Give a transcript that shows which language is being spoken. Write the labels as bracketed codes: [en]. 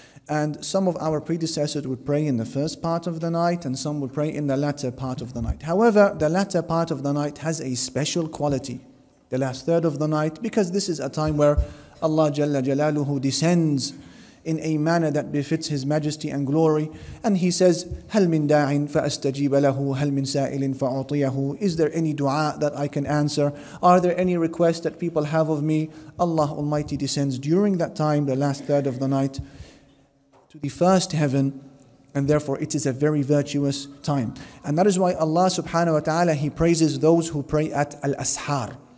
[en] And some of our predecessors would pray in the first part of the night and some would pray in the latter part of the night. However, the latter part of the night has a special quality, the last third of the night, because this is a time where Allah Jalla Jalaluhu descends in a manner that befits His Majesty and glory. And He says, [ar] هَلْ مِنْ دَاعٍ فَأَسْتَجِيبَ لَهُ هَلْ مِنْ سَائِلٍ فَأُعْطِيَهُ. [en] Is there any dua that I can answer? Are there any requests that people have of me? Allah Almighty descends during that time, the last third of the night, to the first heaven. And therefore, it is a very virtuous time. And that is why Allah Subhanahu Wa Ta'ala, He praises those who pray at Al-Ashar.